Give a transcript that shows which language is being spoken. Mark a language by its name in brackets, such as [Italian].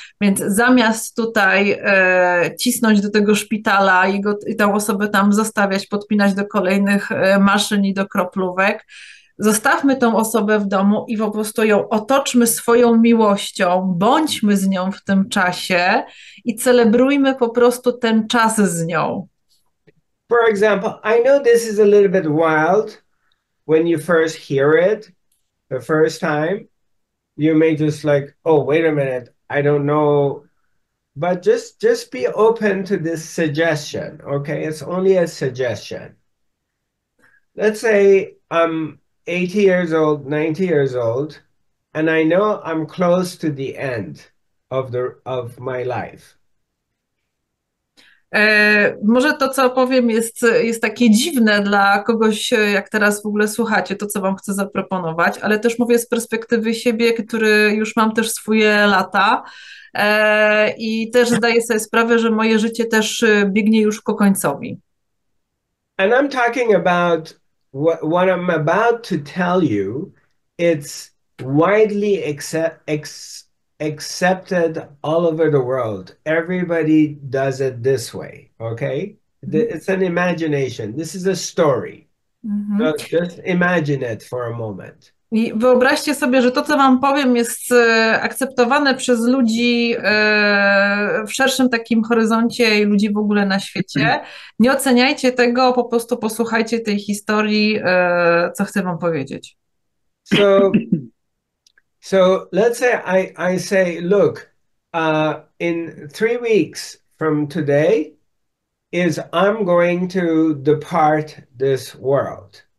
[Polish] Więc zamiast tutaj cisnąć do tego szpitala i tę osobę tam zostawiać, podpinać do kolejnych maszyn i do kroplówek, zostawmy tą osobę w domu i po prostu ją otoczmy swoją miłością, bądźmy z nią w tym czasie i celebrujmy po prostu ten czas z nią. [English] For example, I know this is a little bit wild when you first hear it the first time. You may just like, oh, wait a minute, I don't know. But just be open to this suggestion, okay? It's only a suggestion. Let's say I'm 80 years old, 90 years old, and I know I'm close to the end of my life. [Polish] Może to, co opowiem, jest takie dziwne dla kogoś, jak teraz w ogóle słuchacie, to, co wam chcę zaproponować, ale też mówię z perspektywy siebie, który już mam też swoje lata i też zdaję sobie sprawę, że moje życie też biegnie już ku końcowi. [English] And I'm talking about what I'm about to tell you, it's widely accepted all over the world. Everybody does it this way, okay? It's an imagination. This is a story. So just imagine it for a moment. [Polish] I wyobraźcie sobie, że to, co wam powiem, jest akceptowane przez ludzi w szerszym takim horyzoncie i ludzi w ogóle na świecie. Nie oceniajcie tego, po prostu posłuchajcie tej historii, co chcę wam powiedzieć. [English] So let's say I say, look, in 3 weeks from today is I'm going to depart this world.